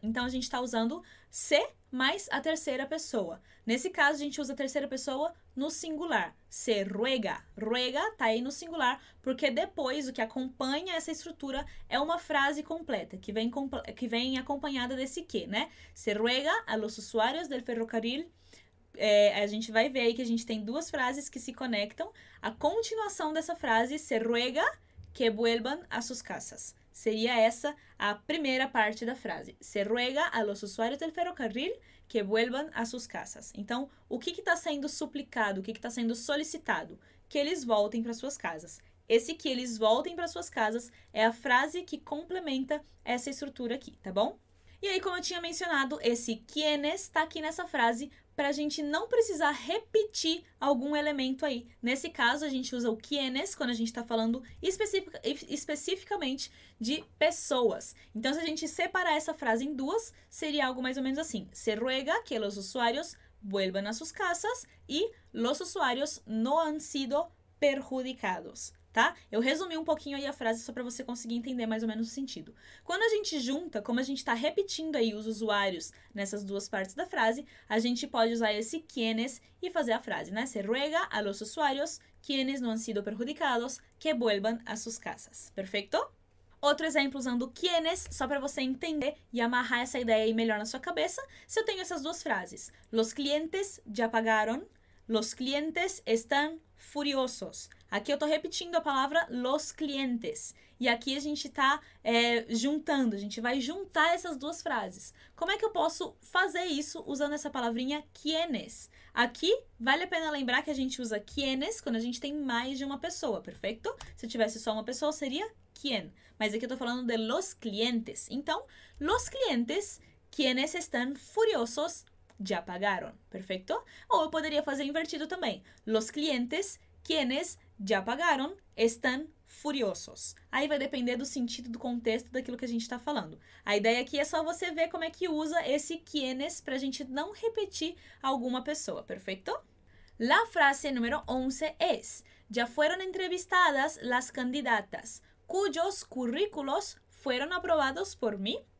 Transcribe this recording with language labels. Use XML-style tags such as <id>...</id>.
<pt>Então, a gente está usando se mais a terceira pessoa. Nesse caso, a gente usa a terceira pessoa no singular.</pt> <es>Se ruega.</es> <pt>Ruega está aí no singular, porque depois o que acompanha essa estrutura é uma frase completa, que vem acompanhada desse que, né?</pt> <es>Se ruega a los usuarios del ferrocarril.</es> <pt>A gente vai ver aí que a gente tem duas frases que se conectam. A continuação dessa frase,</pt> <es>se ruega que vuelvan a sus casas.</es> <pt>Seria essa a primeira parte da frase.</pt> <es>Se ruega a los usuarios del ferrocarril que vuelvan a sus casas.</es> <pt>Então, o que está sendo suplicado, o que está sendo solicitado? Que eles voltem para suas casas. Esse que eles voltem para suas casas é a frase que complementa essa estrutura aqui, tá bom? E aí, como eu tinha mencionado, esse quienes está aqui nessa frase para a gente não precisar repetir algum elemento aí. Nesse caso, a gente usa o quienes quando a gente está falando especificamente de pessoas. Então, se a gente separar essa frase em duas, seria algo mais ou menos assim.</pt> <es>Se ruega que los usuarios vuelvan a sus casas y los usuarios no han sido perjudicados.</es> <pt>Tá? Eu resumi um pouquinho aí a frase só para você conseguir entender mais ou menos o sentido. Quando a gente junta, como a gente está repetindo aí os usuários nessas duas partes da frase, a gente pode usar esse quienes e fazer a frase, né?</pt> <es>Se ruega a los usuarios quienes no han sido perjudicados que vuelvan a sus casas.</es> <pt>Perfeito? Outro exemplo usando quienes, só para você entender e amarrar essa ideia aí melhor na sua cabeça, se eu tenho essas duas frases.</pt> <es>Los clientes ya pagaron. Los clientes están furiosos.</es> <pt>Aqui eu estou repetindo a palavra los clientes. E aqui a gente está juntando, a gente vai juntar essas duas frases. Como é que eu posso fazer isso usando essa palavrinha quienes? Aqui, vale a pena lembrar que a gente usa quienes quando a gente tem mais de uma pessoa, perfeito? Se eu tivesse só uma pessoa, seria quién. Mas aqui eu estou falando de</pt> <es>los clientes. Então, los clientes, quienes están furiosos, ya pagaron, perfeito?</es> <pt>Ou eu poderia fazer invertido também.</pt> <es>Los clientes, quienes ya pagaron, están furiosos.</es> <pt>Aí vai depender do sentido, do contexto, daquilo que a gente está falando. A ideia aqui é só você ver como é que usa esse quienes para a gente não repetir alguma pessoa, perfeito?</pt> <es>La frase número 11 es, ya fueron entrevistadas las candidatas, cuyos currículos fueron aprobados por mí.</es>